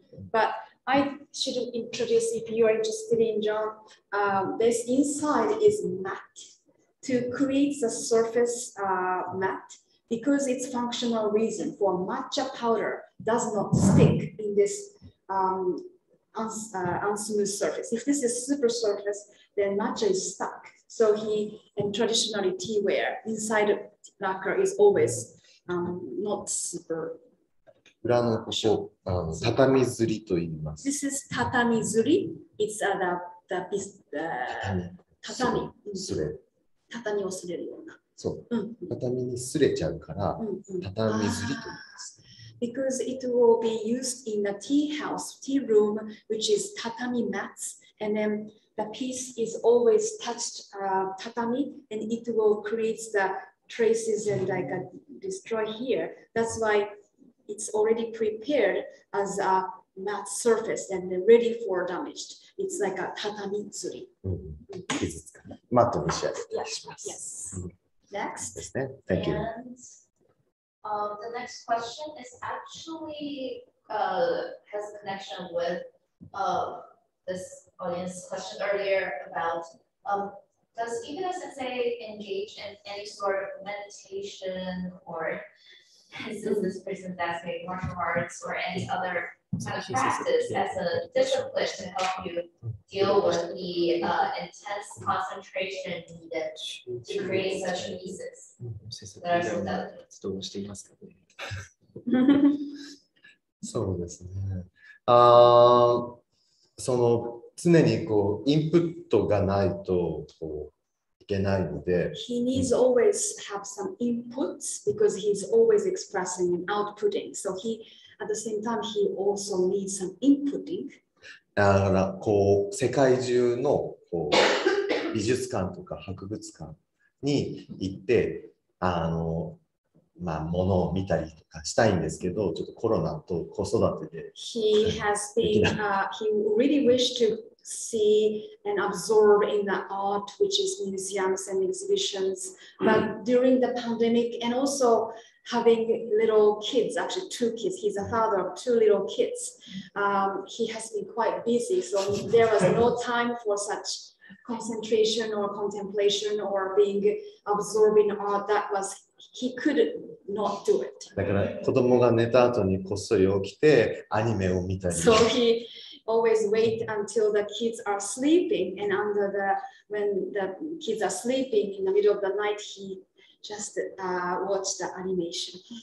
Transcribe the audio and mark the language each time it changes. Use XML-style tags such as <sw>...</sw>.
<en>But I should introduce, if you are interested in John, this inside is matte to create the surface matte because its functional reason for matcha powder does not stick in this unsmooth surface. If this is super surface, then matcha is stuck. So he, and traditionally teaware inside a lacquer is always not super.</en> <ja>裏のこしょう、畳ずりと言います。</ja> <en>This is 畳ずり。It's the piece, 畳。</en> <ja>すれ。畳をすれるような。そう。畳にすれちゃうから、畳ずりと言います。</ja> <en>Because it will be used in a tea house, tea room, which is 畳 mats, and then the piece is always touched tatami, and it will create the traces and like destroy here. That's why it's already prepared as a mat surface and ready for damaged. It's like a tatami tsuri. Mat yes. Yes. Yes. Next. Thank you. And the next question is actually has a connection with this audience question earlier about does Ikeda sensei engage in any sort of meditation or is this person that's made martial arts or any other kind of practice as a discipline to help you deal with the intense concentration needed to create such pieces? That are so delicate.</en> <ja>So, その常にこうインプットがないとこういけないので。</ja> <en>He needs always have some inputs because he's always expressing and outputting. So he, at the same time, he also needs some inputting.</en> <ja>だからこう世界中のこう美術館とか博物館に行ってまあ、物を見たりとかしたいんですけど、ちょっとコロナと子育てで。</ja> <en>He has been, he really wished to see and absorb in the art, which is museums and exhibitions. But during the pandemic, and also having little kids, actually two kids, he's a father of two little kids, he has been quite busy. So there was no time for such concentration or contemplation or being absorbed in art. That was. He could not do it.</en> <ja>だから子供が寝た後にこっそり起きてアニメを見たり。</ja> <en>So he always wait until the kids are sleeping and under the when the kids are sleeping in the middle of the night he just watch the animation.</en>